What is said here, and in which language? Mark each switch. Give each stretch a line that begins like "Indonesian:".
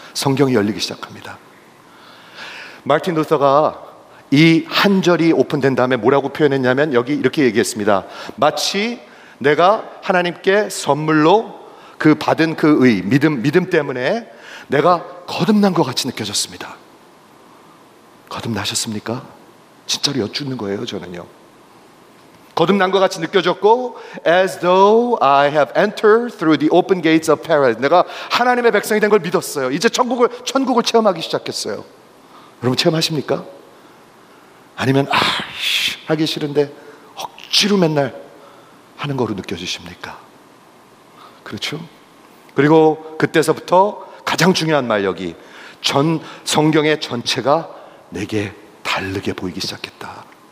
Korean: 성경이 열리기 시작합니다. 마틴 루터가 이 한 절이 오픈된 다음에 뭐라고 표현했냐면 여기 이렇게 얘기했습니다. 마치 내가 하나님께 선물로 그 받은 그 의, 믿음 때문에 내가 거듭난 것 같이 느껴졌습니다. 거듭나셨습니까? 진짜로 여쭙는 거예요, 저는요. 거듭난 것 같이 느껴졌고,
English: As though I have entered through the open gates of paradise.
Korean: 내가 하나님의 백성이 된 걸 믿었어요. 이제 천국을 체험하기 시작했어요. 여러분 체험하십니까? 아니면 아이씨 하기 싫은데 억지로 맨날 하는 거로 느껴지십니까? 그렇죠? 그리고 그때서부터 가장 중요한 말, 여기 전 성경의 전체가 내게 다르게 보이기 시작했다.